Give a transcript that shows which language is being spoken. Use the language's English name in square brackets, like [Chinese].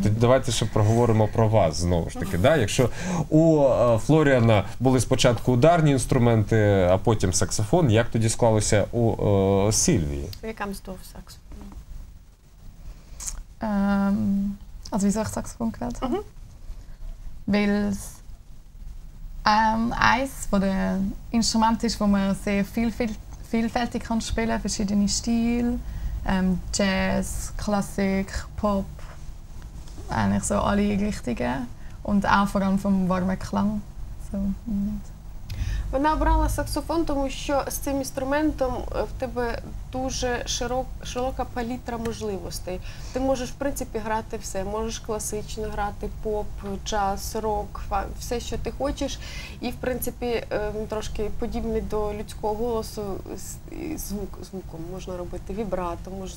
[Ukrainian] Тоді давайте ще проговоримо про вас знову ж таки. Да? Якщо у Флоріана були спочатку ударні інструменти, а потім саксофон, як тоді склалося у Сільвії? Яким став саксофон? [German] Also, wieso ich Saxophon gewählt habe? Weil es eins von den Instrumenten ist, wo man sehr vielfältig kann spielen, verschiedene Stile, Jazz, Klassik, Pop, eigentlich so alle Richtungen und auch vor allem vom warmen Klang. So. [Ukrainian] Вона обрала саксофон, тому що з цим інструментом в тебе дуже широка палітра можливостей. Ти можеш, в принципі, грати все. Можеш класично грати поп, джаз, рок, все, що ти хочеш. І, в принципі, трошки подібний до людського голосу звуком можна робити, вібрато.